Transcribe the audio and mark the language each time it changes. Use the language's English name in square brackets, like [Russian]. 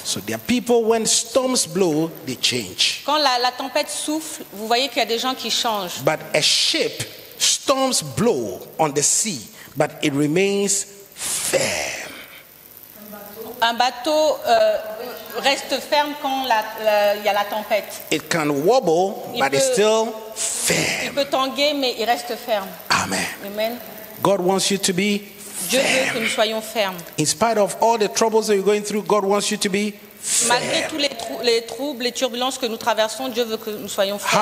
[English] So there are people when storms blow, they change. [French] Quand la tempête souffle, vous voyez qu'il y a des gens qui changent. [English] But a ship, storms blow on the sea, but it remains firm. [French] Un bateau reste ferme quand il y a la tempête. [English] It can wobble, but it's still firm. [French] Il peut tanguer, mais il reste ferme. Amen. Amen. [English] God wants you to be. [French] Dieu veut que nous soyons fermes. [English] In spite of all the troubles that you're going through, God wants you to be firm. [French] Malgré tous les troubles, les turbulences que nous traversons, Dieu veut que nous soyons fermes.